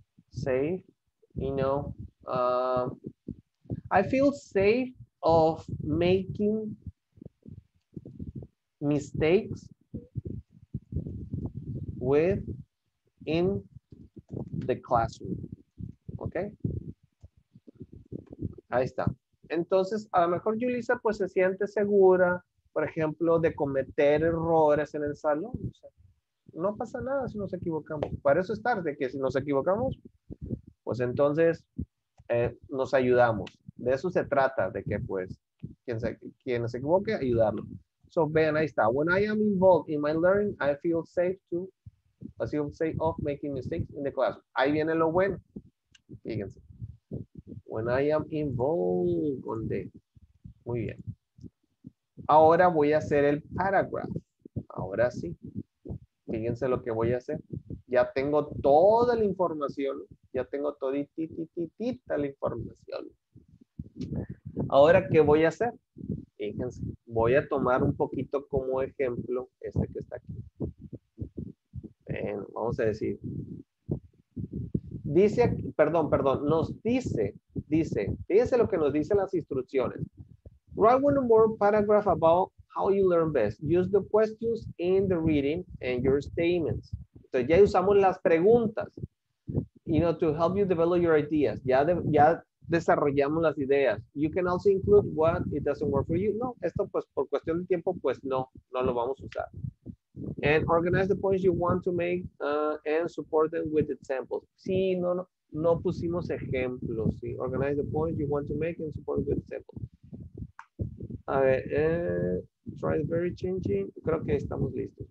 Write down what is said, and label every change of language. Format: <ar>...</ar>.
<en>Safe, you know. I feel safe of making mistakes within the classroom. Okay.</en> <es>Ahí está. Entonces, a lo mejor Yulisa pues se siente segura, por ejemplo, de cometer errores en el salón. O sea, no pasa nada si nos equivocamos. Para eso es tarde, que si nos equivocamos, pues entonces nos ayudamos. De eso se trata, de que pues quien se equivoque, ayudarlo. So, vean, ahí está.</es> <en>When I am involved in my learning, I feel safe to, I feel safe of making mistakes in the classroom.</en> <es>Ahí viene lo bueno. Fíjense.</es> <en>When I am involved</en> <es>con D. Muy bien. Ahora voy a hacer el paragraph. Ahora sí. Fíjense lo que voy a hacer. Ya tengo toda la información. Ya tengo toditititita la información. Ahora, ¿qué voy a hacer? Fíjense. Voy a tomar un poquito como ejemplo este que está aquí. Bueno, vamos a decir. Dice aquí, perdón. Nos dice... Dice, fíjense lo que nos dicen las instrucciones.</es> <en>Write one more paragraph about how you learn best. Use the questions in the reading and your statements.</en> <es>Entonces ya usamos las preguntas,</es> <en>you know, to help you develop your ideas.</en> <es>Ya desarrollamos las ideas.</es> <en>You can also include what it doesn't work for you.</en> <es>No, esto pues por cuestión de tiempo, pues no lo vamos a usar.</es> <en>And organize the points you want to make and support them with examples.</en> <es>Sí, no. No pusimos ejemplos, ¿sí?</es> <en>Organize the points you want to make and support with examples.</en> <es>A ver,</es> <en>try the very changing.</en> <es>Creo que estamos listos.</es>